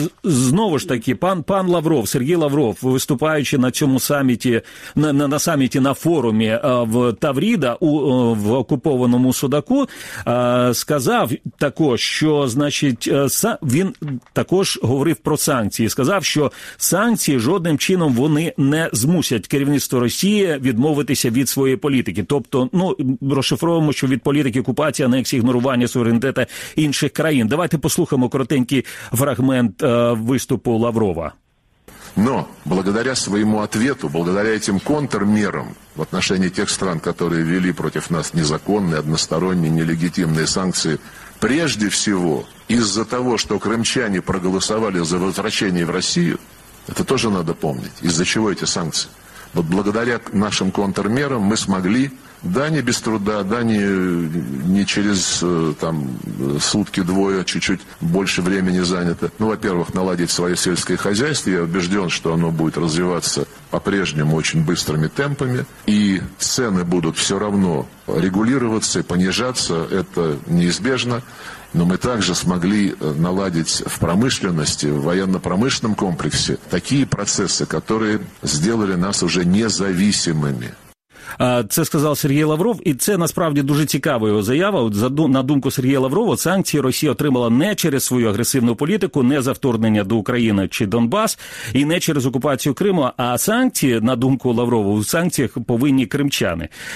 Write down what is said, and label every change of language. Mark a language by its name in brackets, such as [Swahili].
[Ukrainian] Знову ж таки, пан Лавров, Сергій Лавров, виступаючи на цьому саміті, на саміті на форумі в Тавріда в окупованому Судаку, сказав також, що він також говорив про санкції. Сказав, що санкції жодним чином вони не змусять керівництво Росії відмовитися від своєї політики. Тобто, ну, розшифровуємо, що від політики окупації, анексії, ігнорування суверенітету інших країн. Давайте послухаємо коротенький фрагмент выступа Лаврова. [Russian] Но благодаря своему ответу, благодаря этим контрмерам в отношении тех стран, которые ввели против нас незаконные, односторонние, нелегитимные санкции, прежде всего из-за того, что крымчане проголосовали за возвращение в Россию, это тоже надо помнить, из-за чего эти санкции. Вот благодаря нашим контрмерам мы смогли, да не без труда, да не через там сутки-двое, чуть-чуть больше времени занято. Ну, во-первых, наладить свое сельское хозяйство. Я убежден, что оно будет развиваться по-прежнему очень быстрыми темпами. И цены будут все равно регулироваться и понижаться. Это неизбежно. Но мы также смогли наладить в промышленности, в военно-промышленном комплексе такие процессы, которые сделали нас уже независимыми. [Ukrainian] Це сказав Сергій Лавров, і це насправді дуже цікава його заява. На думку Сергія Лаврова, санкції Росія отримала не через свою агресивну політику, не за вторгнення до України чи Донбас, і не через окупацію Криму, а санкції, на думку Лаврова, у санкціях повинні кримчани.